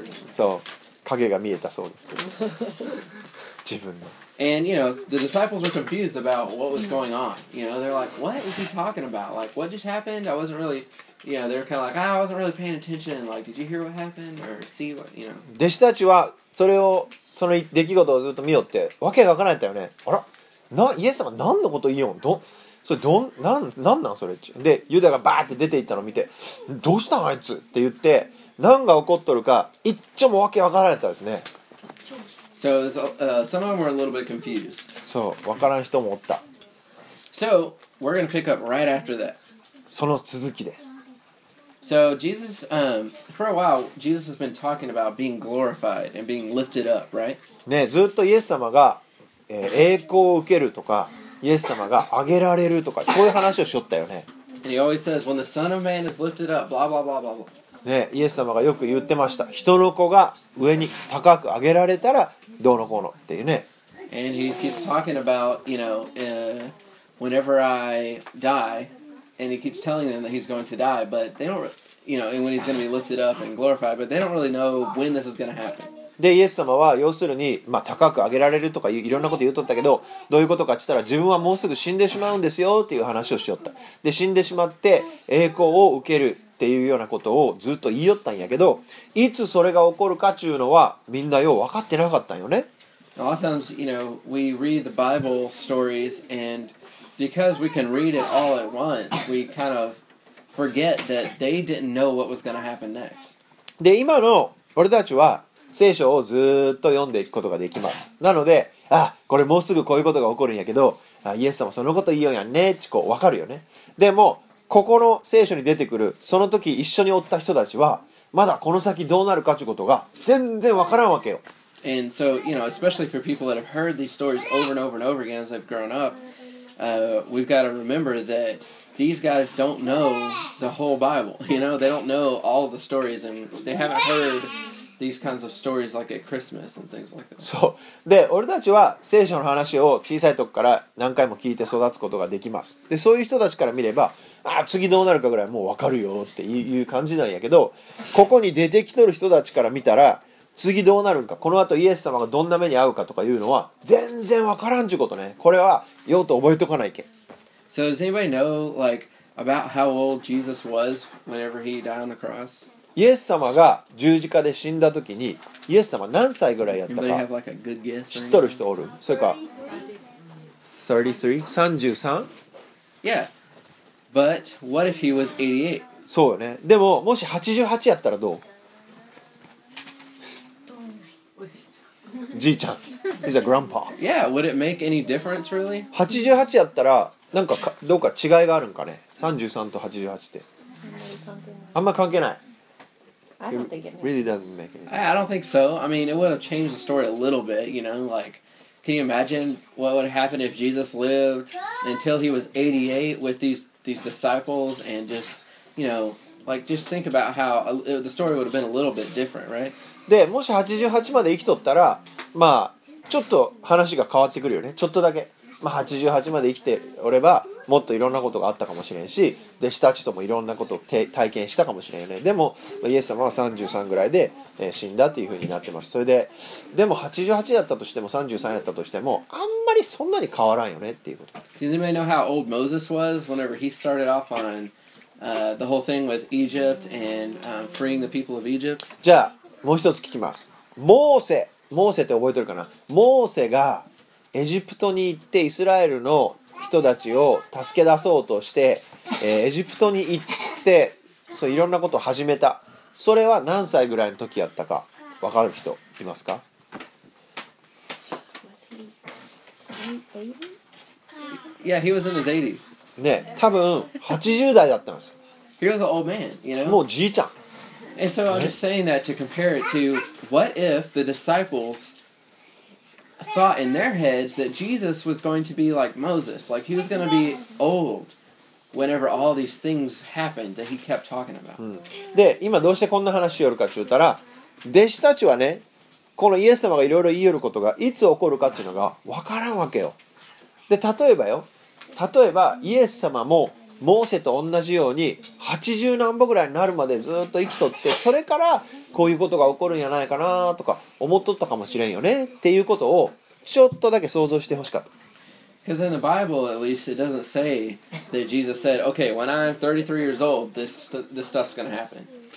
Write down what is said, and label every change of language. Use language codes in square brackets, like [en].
[ja] So, 影が見えたそうですけど。自分の。 [en] And you know, the disciples were confused about what was going on. You know, they're like, what is he talking about? Like, what just happened? I wasn't really, you know, they're kind of like, I wasn't really paying attention. Like, did you hear what happened? Or see what, you know. [ja] 弟子たちはそれを、その出来事をずっと見よって、わけがわからないんだよね。あら、な、イエス様何のこと言いよん？それどん、なん、なんなんそれ？で、ユダがバーって出て行ったのを見て、どうしたんあいつ？って言って、何が起こっとるか、一丁もわけわからないんですね。 [en] So, some of them were a little bit confused. [ja] そう、分からん人もおった。 [en] So, we're going to pick up right after that. [ja] その続きです。 [en] So, Jesus, for a while, Jesus has been talking about being glorified and being lifted up, right? [ja] ね、ずっとイエス様が、栄光を受けるとか、イエス様が上げられるとか、そういう話をしよったよね。 [en] And he always says, when the Son of Man is lifted up, blah, blah, blah, blah, blah. [ja] ね、イエス様がよく言ってました。人の子が上に高く上げられたらどうのこうのっていうね。 [en] And he keeps talking about, you know, whenever I die, and he keeps telling them that he's going to die, but they don't, you know, and when he's going to be lifted up and glorified, but they don't really know when this is going to happen. [ja] で、イエス様は要するに、まあ、高く上げられるとかいろんなこと言うとったけど、どういうことかって言ったら自分はもうすぐ死んでしまうんですよっていう話をしよった。で、死んでしまって栄光を受ける。っていうようなことをずっと言いよったんやけど、いつそれが起こるかっていうのはみんなよう分かってなかったんよね。 [en] A lot of times, you know, we read the Bible stories and because we can read it all at once, we kind of forget that they didn't know what was going to happen next. [ja] で、今の俺たちは聖書をずっと読んでいくことができます。なので、あ、これもうすぐこういうことが起こるんやけど、あ、イエス様そのこと言いよんやねってこう分かるよね。でも、ここの聖書に出てくるその時一緒におった人たちはまだこの先どうなるかということが全然わからんわけよ。 [en] And so, you know, especially for people that have heard these stories over and over and over again as they've grown up, we've got to remember that these guys don't know the whole Bible. You know, they don't know all the stories and they haven't heard these kinds of stories like at Christmas and things like that. [ja] そう。で、俺たちは聖書の話を小さい時から何回も聞いて育つことができます。で、そういう人たちから見れば、ああ次どうなるかぐらいもう分かるよっていう感じなんやけど、ここに出てきとる人たちから見たら次どうなるんか、この後イエス様がどんな目に遭うかとかいうのは全然分からんちゅうことね。これはよーと覚えとかないけ。 [en] So does anybody know like about how old Jesus was whenever he died on the cross? [ja] イエス様が十字架で死んだ時にイエス様何歳ぐらいやったか知っとる人おる？それか 33? [en] Yeah. But what if he was 88? [ja] そうよね。でも、もし88やったらどう？じいちゃん。 [en] He's a grandpa. Yeah, would it make any difference, really? [ja] 88やったら、なんか、どうか違いがあるんかね。 33と88って。あんま関係ない。 [en] It really doesn't make any difference. I don't think so. I mean, it would have changed the story a little bit, you know, like... Can you imagine what would happen if Jesus lived until he was 88 with these disciples and just, you know, like just think about how the story would have been a little bit different, right? [ja] で、もし88まで生きとったら、まあちょっと話が変わってくるよね。ちょっとだけ。まあ88まで生きておればもっといろんなことがあったかもしれんし、弟子たちともいろんなことを体験したかもしれんよね。でもイエス様は33ぐらいで死んだっていうふうになってます。それででも88だったとしても33だったとしてもあんまりそんなに変わらんよねっていうこと。 [en] Does anybody know how old Moses was whenever he started off on the whole thing with Egypt and freeing the people of Egypt. [ja] じゃあもう一つ聞きます。モーセ、モーセって覚えてるかな？モーセがエジプトに行ってイスラエルの人たちを助け出そうとして、エジプトに行ってそういろんなことを始めた。それは何歳ぐらいの時やったか分かる人いますか？ [en] Yeah, he was in his 80s. [ja] ね、多分80代だったんですよ。 [en] He was an old man, you know? [ja] もうじいちゃん。 [en] And so I'm just saying that to compare it to what if the disciples thought in their heads that Jesus was going to be like Moses, like he was going to be old whenever all these things happened that he kept talking about.、 [ja] うん、で、今どうしてこんな話をよるかって言ったら、弟子たちはね、このイエス様がいろいろ言いよることがいつ起こるかっていうのがわからんわけよ。で、例えばよ、例えばイエス様もモーセと同じように80何歩ぐらいになるまでずっと生きとって、それからこういうことが起こるんやないかなとか思っとったかもしれんよねっていうことをちょっとだけ想像してほしかった。 [en] Because in the Bible at least it doesn't say that Jesus said, okay, when I'm 33 years old, this stuff's gonna happen.